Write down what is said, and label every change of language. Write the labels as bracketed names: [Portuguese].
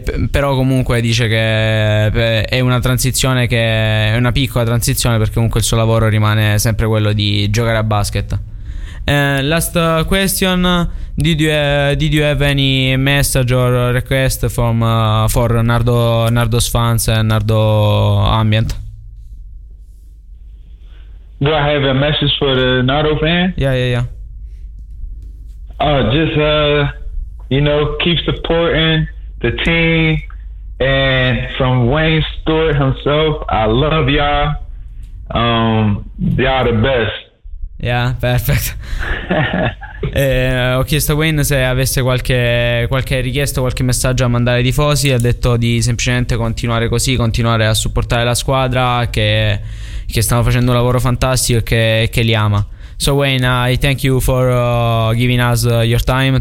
[Italian] Però comunque dice che è una transizione, che è una piccola transizione, perché comunque il suo lavoro rimane sempre quello di giocare a basket. [English] Last question: did you have any message or request from for Nardo's fans and Nardo Ambient? Do I have a message for the Nardo fans? Yeah. Keep supporting the team, and from Wayne Stewart himself, I love y'all. Y'all the best. Yeah, perfect. [Italian] ho chiesto a Wayne se avesse qualche richiesta, qualche messaggio a mandare ai tifosi. Ha detto di semplicemente continuare così, continuare a supportare la squadra, che stanno facendo un lavoro fantastico e che li ama. [English] So Wayne, I thank you for giving us your time.